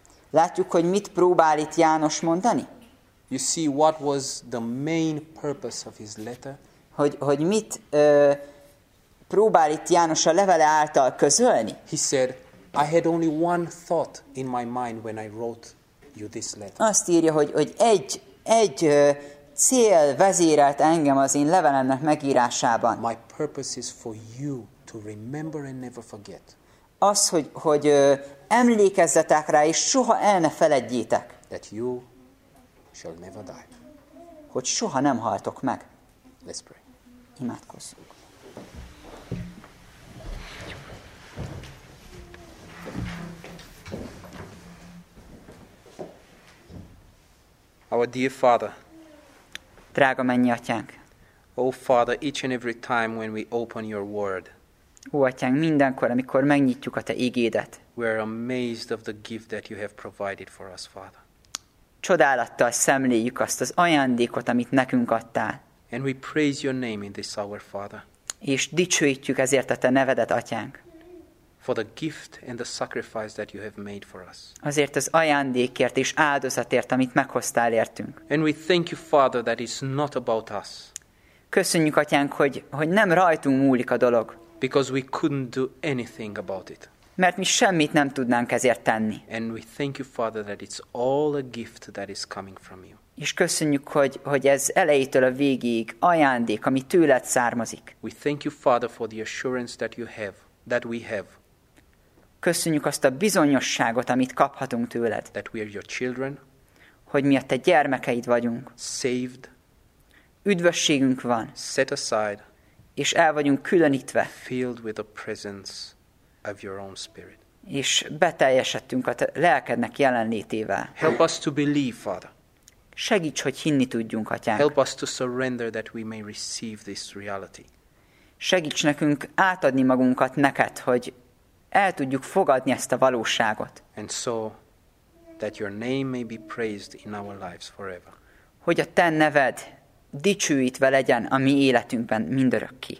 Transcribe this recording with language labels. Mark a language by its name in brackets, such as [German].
[Hungarian] Látjuk, hogy mit próbál itt János mondani? [English] You see what was the main purpose of his letter? [Hungarian] Hogy mit próbál itt János a levele által közölni? [English] He said, I had only one thought in my mind when I wrote you this letter. [Hungarian] Azt írja, hogy egy cél vezérelt engem az én levelemnek megírásában. [English] My purpose is for you to remember and never forget. [Hungarian] Az, hogy emlékezzetek rá, és soha el ne feledjétek. [English] That you shall never die. [Hungarian] Hogy soha nem haltok meg. [English] Let's pray. [Hungarian] Imádkozzunk. [English] Our dear Father. [Hungarian] Drága mennyi atyánk. [English] Oh Father, each and every time when we open your word. [Hungarian] Ó atyánk, mindenkor, amikor megnyitjuk a te igédet. [English] We are amazed of the gift that you have provided for us, Father. [Hungarian] Csodálattal szemléljük azt az ajándékot, amit nekünk adtál. [English] And we praise your name in this hour, Father. [Hungarian] És dicsőítjük ezért a te nevedet, atyánk. [English] For the gift and the sacrifice that you have made for us. [Hungarian] Azért az ajándékért és áldozatért, amit meghoztál értünk. [English] And we thank you, Father, that it's not about us. [Hungarian] Köszönjük, atyánk, hogy nem rajtunk múlik a dolog. [English] Because we couldn't do anything about it. [Hungarian] Mert mi semmit nem tudnánk ezért tenni. [English] And we thank you, Father, that it's all a gift that is coming from you. [Hungarian] És köszönjük, hogy ez elejétől a végig ajándék, ami tőled származik. [English] We thank you, Father, for the assurance that you have, that we have. [Hungarian] Köszönjük azt a bizonyosságot, amit kaphatunk tőled. [English] That we are your children. [Hungarian] Hogy mi a te gyermekeid vagyunk. [English] Saved. [Hungarian] Üdvösségünk van. [English] Set aside. [Hungarian] És el vagyunk különítve. [English] Filled with the presence of your own spirit. [Hungarian] És beteljesedtünk a te lelkednek jelenlétével. [English] Help us to believe, Father. [Hungarian] Segíts, hogy hinni tudjunk, atyánk. [English] Help us to surrender that we may receive this reality. [Hungarian] Segíts nekünk átadni magunkat neked, hogy el tudjuk fogadni ezt a valóságot. [English] And so that your name may be praised in our lives forever. [Hungarian] Hogy a te neved dicsőítve legyen a mi életünkben mindörökké.